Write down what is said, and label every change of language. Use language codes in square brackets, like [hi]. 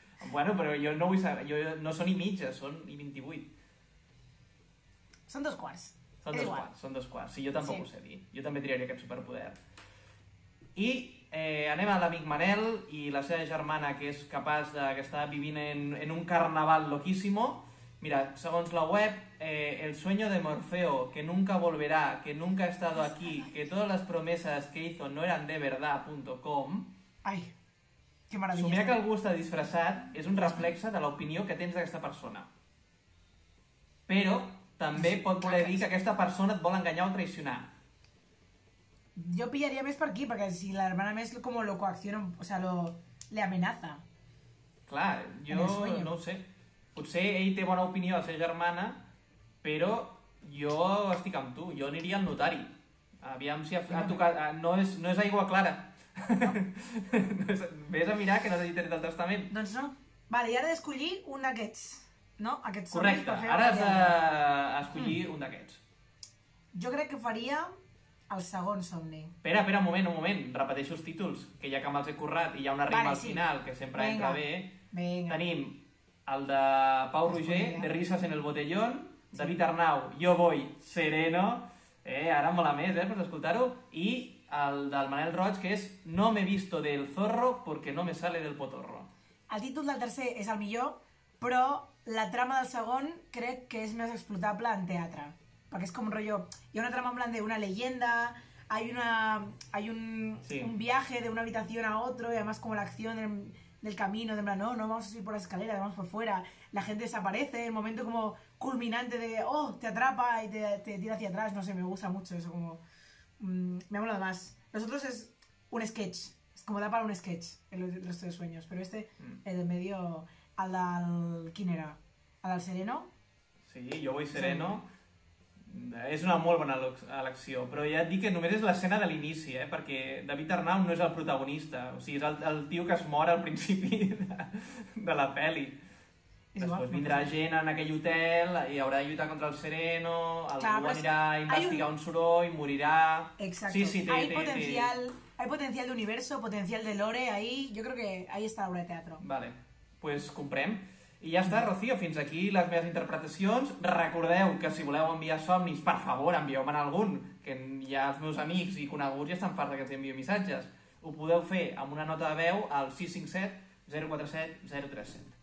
[ca] Bueno, però jo no vull saber, jo no són i mitja, són i 28. Són dos quarts. Són dos quarts. Sí, jo tampoc ho sé dir. Jo també triaria aquest superpoder. I anem a l'amic Manel i la seva germana, que és capaç d'estar vivint en un carnaval loquíssimo. [es] Mira, [ca] segons la web, [es] el sueño de Morfeo, que nunca volverá, que nunca ha estado aquí, que todas las promesas que hizo no eran de verdad.com... Ai, que maravilla. [ca] Somiar que algú està disfressat és un reflex de l'opinió que tens d'aquesta persona. Però també pot voler dir que aquesta persona et vol enganyar o traicionar. Jo pillaria més per aquí, perquè si la germana més com lo coacciona, [es] o sea, lo... le amenaza. [ca] Clar, jo no ho sé. Potser ell té bona opinió de la seva germana, però jo estic amb tu, jo aniria al notari. Aviam si ha tocat... No és aigua clara. No. Ves a mirar que no t'hagi tret el testament. Doncs no. Vale, i ara he d'escollir un d'aquests, no? Aquests correcte, per fer ara has d'escollir un d'aquests. Jo crec que faria el segon somni. Espera, un moment. Repeteixo els títols, que ja que me'ls he currat i hi ha una rima, vale, al final, sí, que sempre [es] venga, [ca] entra bé. [es] Venga. [ca] Tenim... el de Pau Roger, de Risas en el Botellón, sí. David Arnau, Yo voy, sereno, ara mola més, per escoltar-ho, i el del Manel Roig, que és No me visto del zorro porque no me sale del potorro. El títol del tercer és el millor, però la trama del segon crec que és més explotable en teatre, perquè és com un rotllo, hi ha una trama en plan d'una leyenda, [es] hay un viaje de una habitación a otro, y además como la acción... del camino, de plan, no vamos a subir por la escalera, vamos por fuera, la gente desaparece, el momento como culminante de, oh, te atrapa y te tira hacia atrás, no sé, me gusta mucho eso, como, me ha molado más. Nosotros es un sketch, es como da para un sketch el resto de sueños, pero este, de medio, al del, ¿quién era? ¿Al del Sereno? Sí, Yo voy sereno, sí. Es una muy buena elección, pero ya te digo que [ca] només [es] es la escena [ca] de l'inici, [es] porque David Arnau no es el protagonista, o sea, es el tío que [ca] es mor [es] al principio de la peli. Después vendrá gente en aquel hotel y habrá [ca] de lluitar [es] contra el Sereno, [ca] algú anirá a investigar un soroll, [es] morirá... Exacto, sí, sí, hay potencial de universo, potencial de lore, ahí yo creo que ahí está la obra de teatro. [ca] Vale, pues comprem. I ja està, Rocío, fins aquí les meves interpretacions. Recordeu que si voleu enviar somnis, per favor, envieu-me'n algun, que ja els meus amics i coneguts ja estan farts que els envio missatges. Ho podeu fer amb una nota de veu al 657-047-037.